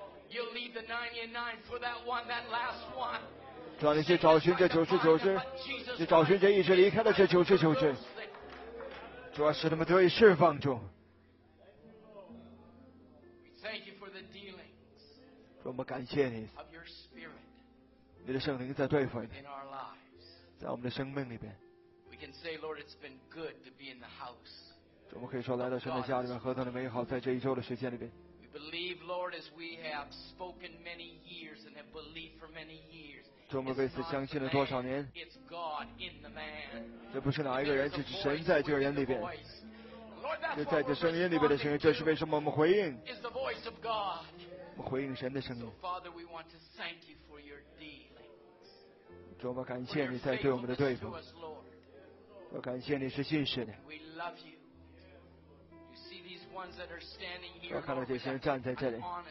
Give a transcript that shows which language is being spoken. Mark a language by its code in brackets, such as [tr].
[en] You'll need the 99 for that one, that last one. [zh] 主啊，你去找寻这九十九只，去找寻这一直离开的这九十九只。主啊，使他们得以释放中。 [en] Thank you for the dealings. [zh] 主，我们感谢你。 [en] Of your spirit. [zh] 你的圣灵在对付你。 [en] In our lives. [zh] 在我们的生命里边。 [en] We can say, Lord, it's been good to be in the house. [zh] 主，我们可以说来到神的家里面何等的美好，在这一周的时间里边。 [en] Believe, Lord, as we have spoken many years and have believed for many years. [zh] 我们为此相信了多少年？ [en] It's God in the man. [zh] 这不是哪一个人，这是神在这个人里边。这在这声音里边的声音，这是为什么我们回应？ [en] Is the voice of God. [zh] 我们回应神的声音。 [en] So Father, we want to thank you for your dealings. [zh] 主，我们感谢你在对我们的对付。我感谢你是信实的。 [en] We love you. Ones that are standing here, [zh] 我看到这些人站在这里，